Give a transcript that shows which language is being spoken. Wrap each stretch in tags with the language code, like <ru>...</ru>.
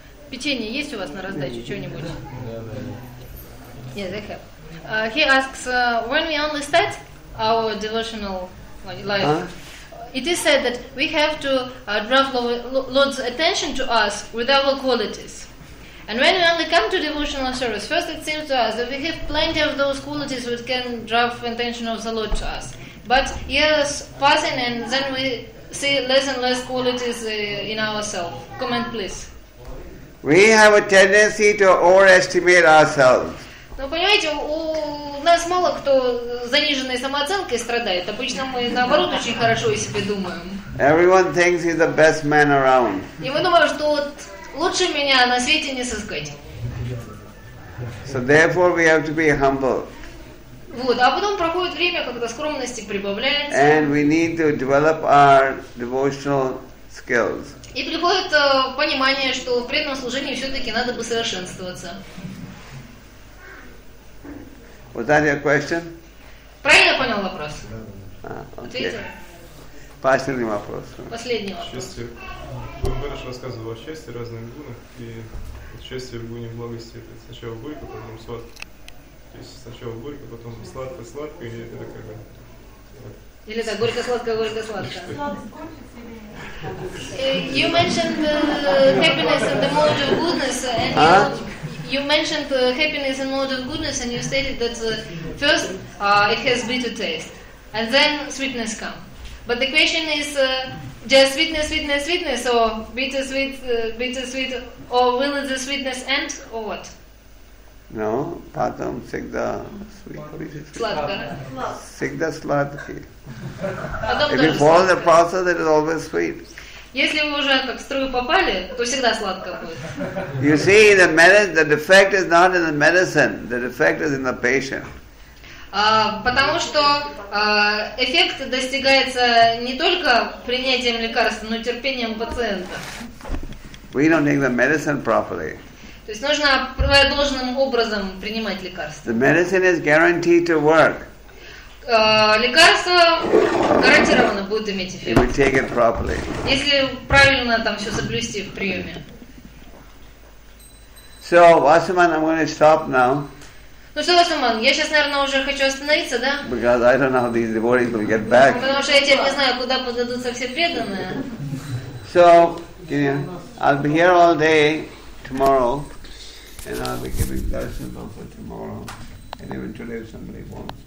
<ru>Печенье есть у вас на раздачу, что-нибудь?</ru> <en>Yeah. Yes, I have. He asks, when we only start our devotional life, it is said that we have to draw Lord's attention to us with our qualities. And when we only come to devotional service, first it seems to us that we have plenty of those qualities which can draw attention of the Lord to us. But years passing, and then we see less and less qualities in ourselves. Comment, please. We have a tendency to overestimate ourselves.</en> <ru>Ну понимаете, у нас мало кто заниженной самооценкой страдает. Обычно мы наоборот очень хорошо о себе думаем.</ru> <en>Everyone thinks he's the best man around.</en> <ru>И мы думаем, что вот лучше меня на свете не сыскать.</ru> <en>So therefore, we have to be humble.</en> <ru>Вот, а потом проходит время, когда скромности прибавляется.</ru> <en>And we need to develop our devotional skills.</en> <ru>И приходит понимание, что в преданном служении все-таки надо бы совершенствоваться.</ru> <en>Was that your question?</en> <ru>Правильно понял вопрос? Ответил? Последний вопрос. Последний вопрос. Счастье. Гурбараш рассказывал о счастье разных гунах, и счастье в гуне благости — это сначала горько, потом сладко. То есть сначала горько, потом сладко-сладко, или это как бы... Или так, горько-сладко-горько-сладко.</ru> <en>You mentioned happiness and the mode of goodness, and you mentioned happiness and mode of goodness, and you stated that first it has bitter taste, and then sweetness come. But the question is just sweetness, or bitter-sweet, or will the sweetness end, or what? No,</en> <ru>потом всегда</ru> <en>sweet.</en> <ru>Сладко. Всегда сладкий.</ru> <en>If you follow the process, it is always sweet.</en> <ru>Если вы уже как в струю попали, то всегда сладко будет.</ru> <en>You see, the defect is not in the medicine, the defect is in the patient.</en> <ru>Потому что эффект достигается не только принятием лекарств, но и терпением пациента.</ru> <en>We don't take the medicine properly.</en> <ru>То есть нужно должным образом принимать лекарства.</ru> <en>The medicine is guaranteed to work.</en> <ru>Лекарство гарантированно будет иметь эффект.</ru> <en>If we take it properly.</en> <ru>Если правильно там все соблюсти в приеме.</ru> <en>So, Vasuman, I'm going to stop now.</en> <ru>Ну что, Vasuman, я сейчас, наверное, уже хочу остановиться, да?</ru> <en>Because I don't know how these devotees will get back.</en> <ru>Потому что я теперь не знаю, куда подадутся все преданные.</ru> <en>So, I'll be here all day. Tomorrow, and I'll be giving darshan for tomorrow, and eventually if somebody wants.</en>